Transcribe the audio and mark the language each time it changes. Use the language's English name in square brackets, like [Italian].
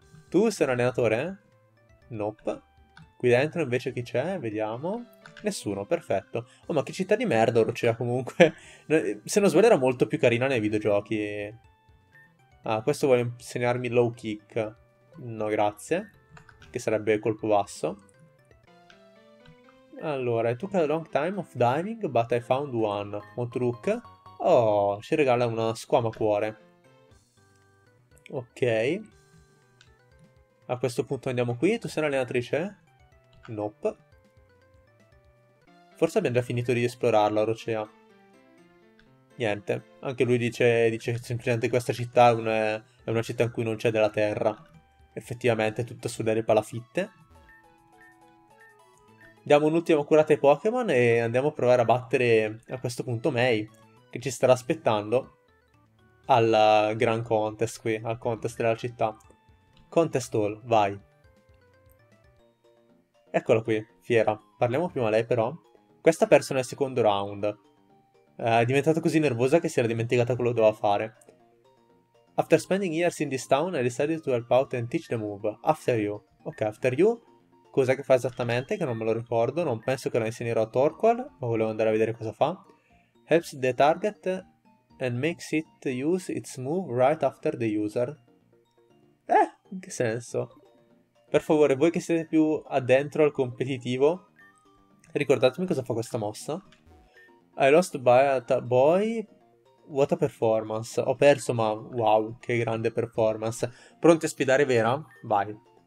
[Italian] Tu sei un allenatore? Nope. Qui dentro invece chi c'è? Vediamo. Nessuno, perfetto. Oh, ma che città di merda Orocea comunque. Se non sbaglio era molto più carina nei videogiochi. Ah, questo vuole insegnarmi low kick. No, grazie. Che sarebbe colpo basso. [English] Allora, it took a long time of diving, but I found one. [Italian] Motrook. Oh, ci regala una squamacuore. Ok. A questo punto andiamo qui. Tu sei un'allenatrice? Nope. Forse abbiamo già finito di esplorarla, Orocea. Niente. Anche lui dice semplicemente che questa città è una città in cui non c'è della terra. Effettivamente è tutto su delle palafitte. Diamo un'ultima curata ai Pokémon e andiamo a provare a battere a questo punto Mei, che ci starà aspettando al Grand Contest qui, al Contest della città. Contest Hall, vai. Eccola qui, fiera. Parliamo prima a lei però. Questa ha perso nel secondo round. È diventata così nervosa che si era dimenticata quello che doveva fare. [English] After spending years in this town, I decided to help out and teach the move. After you. Ok, after you. [Italian] Cosa che fa esattamente? Che non me lo ricordo. Non penso che la insegnerò a Torkoal. Ma volevo andare a vedere cosa fa. [English] Helps the target and makes it use its move right after the user. [Italian] In che senso? Per favore, voi che siete più addentro al competitivo, ricordatemi cosa fa questa mossa. [English] I lost by a boy. What a performance. [Italian] Ho perso, ma wow, che grande performance. Pronti a sfidare Vera? Vai.